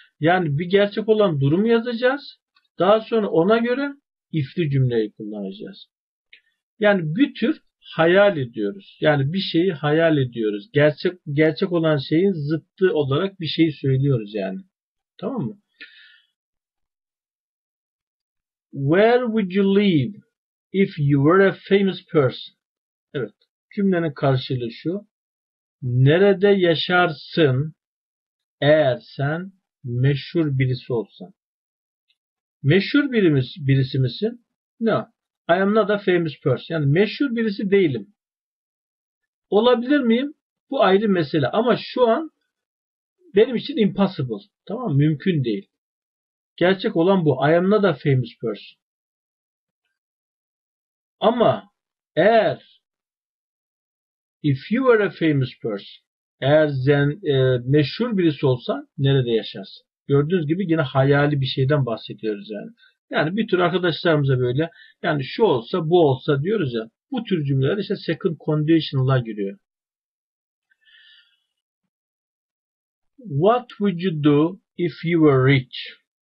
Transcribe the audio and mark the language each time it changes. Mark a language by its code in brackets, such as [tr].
[tr] Yani bir gerçek olan durumu yazacağız. Daha sonra ona göre if'li cümleyi kullanacağız. Yani bir tür hayal ediyoruz. Yani bir şeyi hayal ediyoruz. Gerçek olan şeyin zıttı olarak bir şeyi söylüyoruz yani. Tamam mı? [en] Where would you live if you were a famous person? [tr] Evet. Cümlenin karşılığı şu. Nerede yaşarsın eğer sen meşhur birisi olsan? Meşhur birisi misin? [en] No. I am not a famous person. [tr] Yani meşhur birisi değilim. Olabilir miyim? Bu ayrı mesele. Ama şu an benim için impossible. Tamam mı? Mümkün değil. Gerçek olan bu. [en] I am not a famous person. [tr] Ama eğer [en] if you were a famous person, [tr] eğer meşhur birisi olsan nerede yaşarsın? Gördüğünüz gibi yine hayali bir şeyden bahsediyoruz yani. Yani bir tür arkadaşlarımıza böyle yani şu olsa bu olsa diyoruz ya bu tür cümleler işte second conditional'a giriyor. [en] What would you do if you were rich?